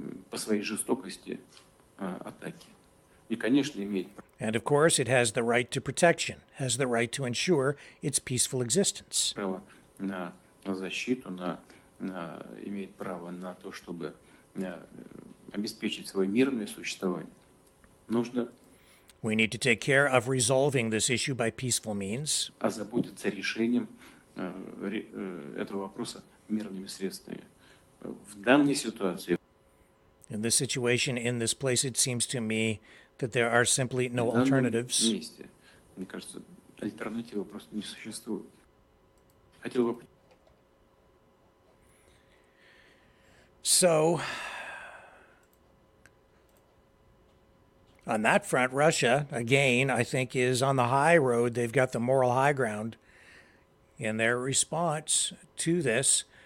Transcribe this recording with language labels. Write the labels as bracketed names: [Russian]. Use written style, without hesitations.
[Russian] По своей жестокости атаки. И, конечно, имеет. [English] And of course, it has the right to protection, has the right to ensure its peaceful existence. [Russian] Право на защиту, на имеет право на то, чтобы обеспечить свое мирное существование. Нужно. [English] We need to take care of resolving this issue by peaceful means. [Russian] Озаботиться решением этого вопроса мирными средствами. В данной ситуации. [English] In this situation, in this place, it seems to me that there are simply no alternatives. [Russian] Мне кажется, альтернативы просто не существует. Хотел бы. [English] So, on that front, Russia, again, I think, is on the high road. They've got the moral high ground in their response to this.